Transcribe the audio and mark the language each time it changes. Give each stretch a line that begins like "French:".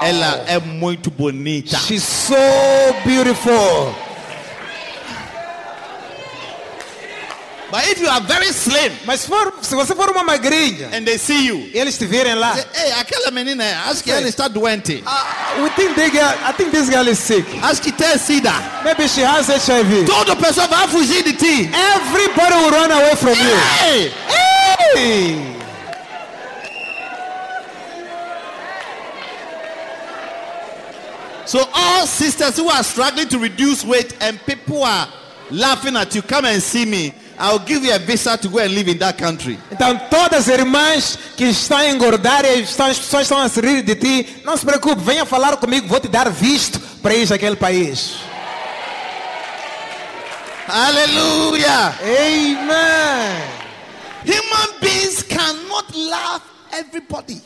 Portuguese: Ela é muito bonita.
English: She's so beautiful. But if you are very slim,
Portuguese: mas for, se você for uma magrinha,
English: and they see you,
Portuguese: e eles te virem lá,
English: say, hey,
Portuguese: aquela menina, acho que ela está doente.
English: We think they get, I think this girl is sick.
Portuguese: Acho que tem sida.
English: Maybe she has HIV.
Portuguese: Todo pessoa vai fugir de ti.
English: Everybody will run away from hey! You. So all sisters who are struggling to reduce weight and people are laughing at you, come and see me. I'll give you a visa to go and live in that country.
Portuguese: Então todas as irmãs que estão a engordar e as pessoas estão a se rir de ti, não se preocupe, venha falar comigo, vou te dar visto para ir àquele país. Aleluia. Amen.
English: Human beings cannot love everybody.